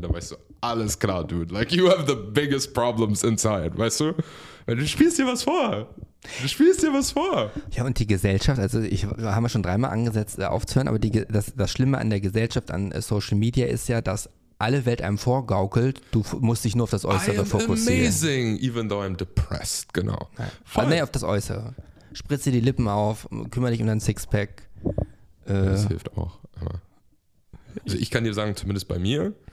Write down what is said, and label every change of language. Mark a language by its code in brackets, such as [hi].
[de] Da weißt du, alles klar, [en] dude. Like, you have the biggest problems inside, [de] weißt du? Weil du spielst dir was vor. Du spielst dir was vor. Ja, und die Gesellschaft, also wir haben ja schon dreimal angesetzt, aufzuhören, aber das Schlimme an der Gesellschaft, an Social Media ist ja, dass alle Welt einem vorgaukelt, du musst dich nur auf das Äußere fokussieren. [en] I am amazing, even though I'm depressed, genau. [de] Ja. Nee, auf das Äußere. Spritz dir die Lippen auf, kümmere dich um dein Sixpack. Das hilft auch. Also ich kann dir sagen, zumindest bei mir.